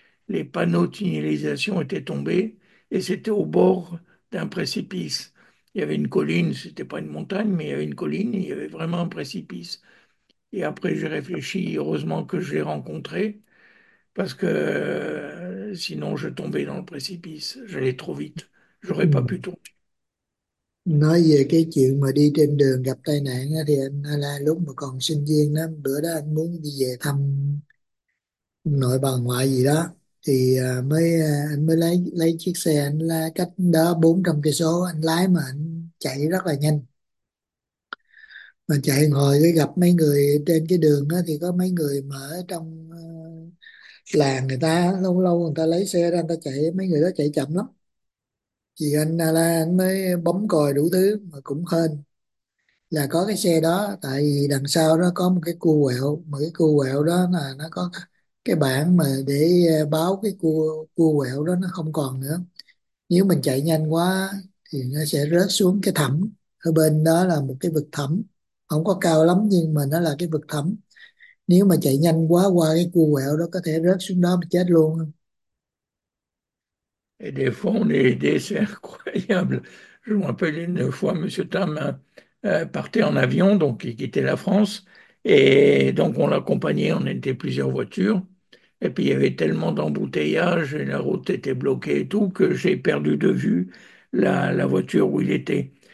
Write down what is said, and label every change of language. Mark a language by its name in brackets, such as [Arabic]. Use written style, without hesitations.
[French] Les panneaux de signalisation étaient tombés et c'était au bord d'un précipice. Il y avait une colline, ce n'était pas une montagne, mais il y avait une colline, il y avait vraiment un précipice. Et après, j'ai réfléchi, heureusement que je l'ai rencontré, parce que sinon je tombais dans le précipice, j'allais trop vite, j'aurais pas pu tomber. [Vietnamese] Nói về cái chuyện mà đi trên đường gặp tai nạn đó, thì anh là lúc mà còn sinh viên đó, bữa đó anh muốn đi về thăm nội bà ngoại gì đó thì mới anh mới lấy chiếc xe anh lái cách đó 400 cây số anh lái mà anh chạy rất là nhanh mà chạy hồi cái gặp mấy người trên cái đường đó, thì có mấy người mà ở trong làng người ta lâu lâu người ta lấy xe ra người ta chạy mấy người đó chạy chậm lắm. Thì anh là anh mới bấm còi đủ thứ mà cũng hên là có cái xe đó, tại vì đằng sau nó có một cái cua quẹo, mà cái cua quẹo đó là nó có cái bảng mà để báo cái cua quẹo đó nó không còn nữa. Nếu mình chạy nhanh quá thì nó sẽ rớt xuống cái thẳm, ở bên đó là một cái vực thẳm không có cao lắm nhưng mà nó là cái vực thẳm. Nếu mà chạy nhanh quá qua cái cua quẹo đó có thể rớt xuống đó mà chết luôn. [French] Et des fois, on est aidé, c'est incroyable. Je me rappelle une fois, M. Tam partait en avion, donc il quittait la France, et donc on l'accompagnait, on était plusieurs voitures, et puis il y avait tellement d'embouteillages, et la route était bloquée et tout, que j'ai perdu de vue la voiture où il était.